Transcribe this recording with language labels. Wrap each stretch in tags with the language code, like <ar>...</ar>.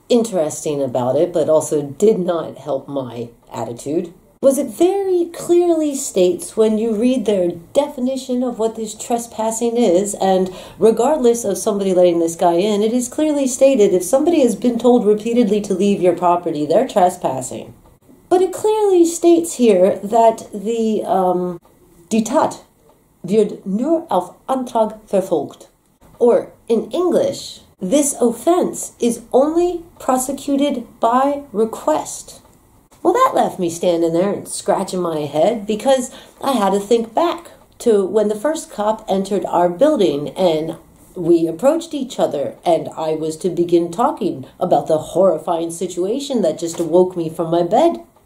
<en>interesting about it, but also did not help my attitude, was it very clearly states when you read their definition of what this trespassing is, and regardless of somebody letting this guy in, it is clearly stated if somebody has been told repeatedly to leave your property, they're trespassing. But it clearly states here that the,</en> <de>die Tat wird nur auf Antrag verfolgt.</de> <en>Or in English, this offense is only prosecuted by request. Well, that left me standing there and scratching my head because I had to think back to when the first cop entered our building and we approached each other and I was to begin talking about the horrifying situation that just awoke me from my bed.</en>